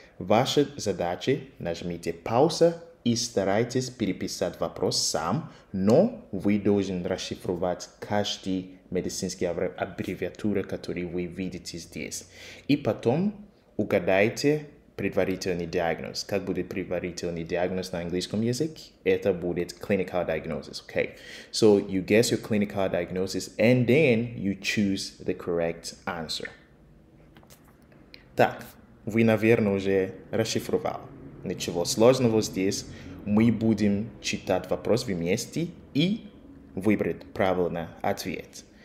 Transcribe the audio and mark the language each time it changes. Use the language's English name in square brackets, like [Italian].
[Russian] Ваша задача – нажмите паузу и старайтесь переписать вопрос сам, но вы должны расшифровать каждый медицинские аббревиатуры, которые вы видите здесь. И потом угадайте предварительный диагноз. Как будет предварительный диагноз на английском языке? Это будет [English] clinical diagnosis, okay? So you guess your clinical diagnosis and then you choose the correct answer. [Russian] Так, вы, наверное, уже расшифровали. Ничего сложного здесь. Мы будем читать вопрос вместе и выбрать правильный ответ.